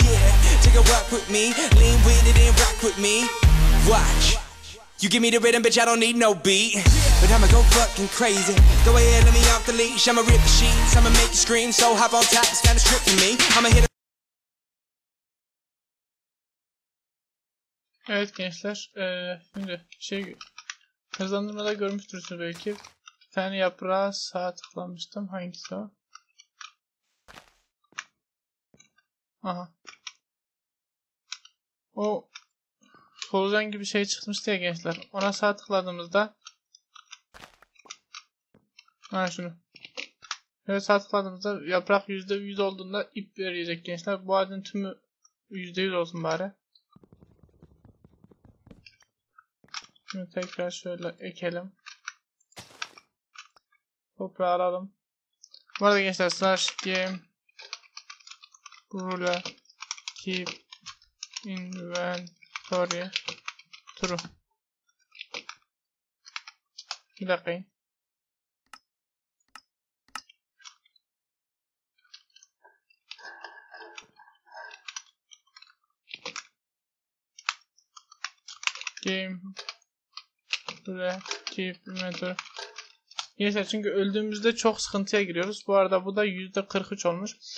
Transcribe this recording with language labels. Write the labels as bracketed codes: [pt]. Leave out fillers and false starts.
[en] Yeah, take a walk with me, lean with it and rock with me. Watch. You give me the rhythm, bitch, I don't need no beat. But I'ma go fucking crazy. Go ahead, let me off the leash. I'ma rip the sheets, I'ma make you scream. So hop on top, stand a strip for me. I'ma hit a... [tr] Evet gençler, şimdi şey... Hızlandırmada görmüştürsünüz belki. tane yaprağa sağ tıklamıştım. Hangisi o? Aha. O solucan gibi şey çıkmıştı ya gençler. Ona sağ tıkladığımızda ha şunu. Şöyle sağ tıkladığımızda yaprak %100 olduğunda ip verecek gençler. Bu adın tümü %100 olsun bari. Şimdi tekrar şöyle ekelim. Toprağı alalım. Bu arada gençler slash game ruler keep inventory true. Bir dakika. Game ruler keep inventory. Neyse çünkü öldüğümüzde çok sıkıntıya giriyoruz. Bu arada bu da %43 olmuş.